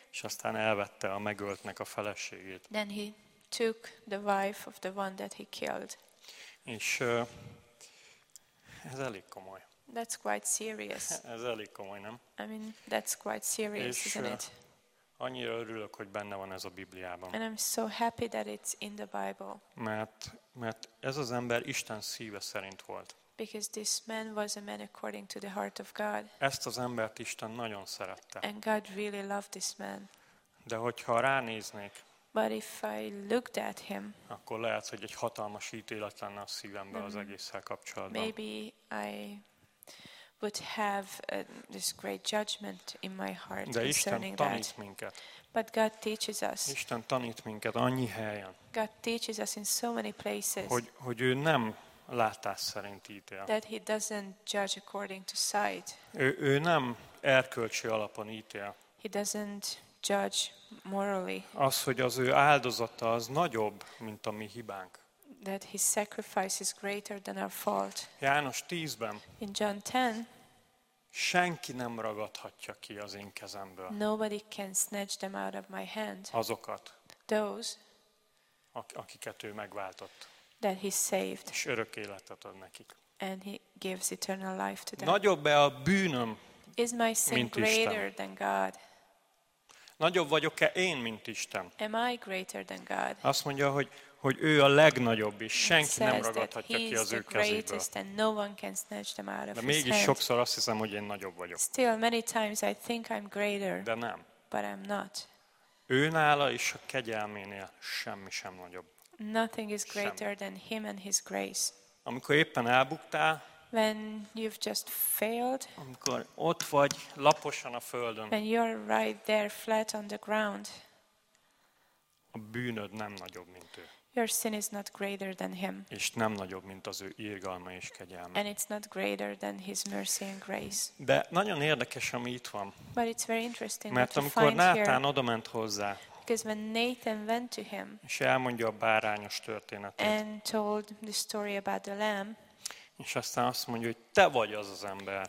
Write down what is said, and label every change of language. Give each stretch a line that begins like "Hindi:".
Hungarian: És aztán elvette a megöltnek a feleségét.
English: Then he took the wife of the one that he killed.
Hungarian: És ez elég komoly.
English: That's quite serious.
Hungarian: Ez elég komoly, nem?
English: I mean, that's quite serious,
Hungarian: és,
English: isn't it?
Hungarian: Annyira örülök, hogy benne van ez a Bibliában.
English: And I'm so happy that it's in the Bible.
Hungarian: Mert ez az ember Isten szíve szerint volt.
English: Because this man was a man according to the heart of God.
Hungarian: Ezt az embert Isten nagyon szerette.
English: And God really loved this man.
Hungarian: De hogyha ránéznék,
English: but if I looked at him,
Hungarian: akkor lehet, hogy egy hatalmas ítélet lenne a szívembe az egésszel kapcsolatban.
English: Maybe I would have this great judgment in my heart concerning that.
Hungarian: De Isten tanít minket.
English: But God teaches us.
Hungarian: Isten tanít minket annyi helyen.
English: God teaches us in so many places.
Hungarian: Hogy ő nem látás szerint ítél.
English: That he doesn't judge according to sight.
Hungarian: Ő nem erkölcsi alapon ítél.
English: He doesn't judge morally.
Hungarian: Az, hogy az ő áldozata az nagyobb, mint a mi hibánk.
English: That his sacrifice is greater than our fault.
Hungarian: János 10-ben.
English: In John 10.
Hungarian: Senki nem ragadhatja ki az én kezemből.
English: Nobody can snatch them out of my hand.
Hungarian: Azokat.
English: Those.
Hungarian: Akiket ő megváltott.
English: That he saved.
Hungarian: És örök életet ad nekik.
English: And he gives eternal life to them.
Hungarian: Nagyobb-e a bűnöm,
English: is my sin greater than God?
Hungarian: Nagyobb vagyok-e én, mint Isten?
English: Am I greater than God?
Hungarian: Azt mondja, hogy ő a legnagyobb, és senki nem ragadhatja ki az ő kezéből.
English: No one can snatch them out of his
Hungarian: hand. De mégis sokszor azt hiszem, hogy én nagyobb vagyok.
English: Still, many times I think I'm greater.
Hungarian: De nem.
English: But I'm not.
Hungarian: Ő nála és a kegyelménél semmi sem nagyobb.
English: Nothing is greater than him and his grace.
Hungarian: Amikor éppen elbuktál,
English: when you've just failed,
Hungarian: amikor ott vagy laposan a földön,
English: when you're right there flat on the ground,
Hungarian: a bűnöd nem nagyobb, mint ő.
English: Your sin is not greater than him.
Hungarian: És nem nagyobb, mint az ő irgalma és kegyelme.
English: And it's not greater than his mercy and grace.
Hungarian: De nagyon érdekes, ami itt van.
English: But it's very interesting.
Hungarian: Mert amikor Nátán odament hozzá,
English: because when Nathan went to him,
Hungarian: és elmondja a bárányos történetet,
English: and told the story about the lamb,
Hungarian: és aztán azt mondja, hogy te vagy az az ember.